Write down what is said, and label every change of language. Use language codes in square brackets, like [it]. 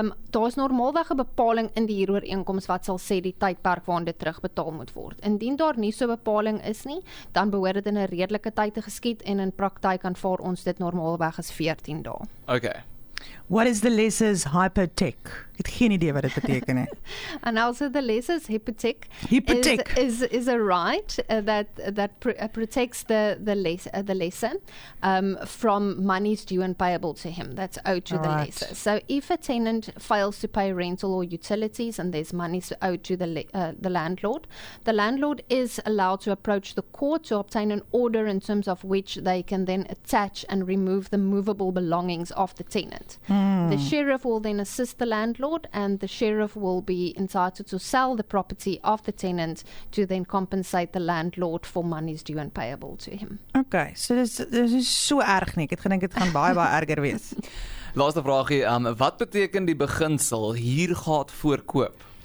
[af] Daar is normaalweg 'n bepaling in die huurooreenkoms wat sal sê die tydperk waarin dit terugbetaal moet word. Indien daar nie so 'n bepaling is nie, dan behoort dit in 'n redelike tyd te geskied en in praktyk aanvaar ons dit normaalweg as 14 dae. Okay. [en] What is the lessor's hypotheek? [af] Ek het geen idee wat dit beteken nie. [en] And also the lessor's hypotheek is a right that protects the lessor from monies due and payable to him that's owed to the lessor. So if a tenant fails to pay rental or utilities and there's monies owed to the landlord, the landlord is allowed to approach the court to obtain an order in terms of which they can then attach and remove the movable belongings of the tenant. The sheriff will then assist the landlord and the sheriff will be entitled to sell the property of the tenant to then compensate the landlord for monies due and payable to him. Okay, so this is so [af] erg nie. Ek het gedink dit gaan baie baie erger wees. Laaste vraagie, wat beteken die beginsel huur gaat voor koop?